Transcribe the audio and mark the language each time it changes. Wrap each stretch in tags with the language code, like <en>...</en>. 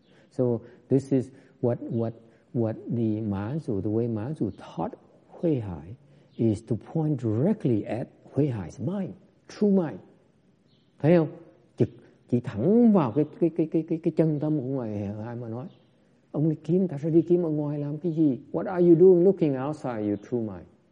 <en>So this is what the Ma-Zu, the way Ma-Zu taught Huệ Hải is to point directly at Huệ Hải's mind, true mind.</en> <vi>Thấy không? Chỉ thẳng vào cái chân tâm của ngài Huệ Hải mà nói. Ông đi kiếm, ta sẽ đi kiếm ở ngoài làm cái gì?</vi> <en>What are you doing looking outside your true mind?</en>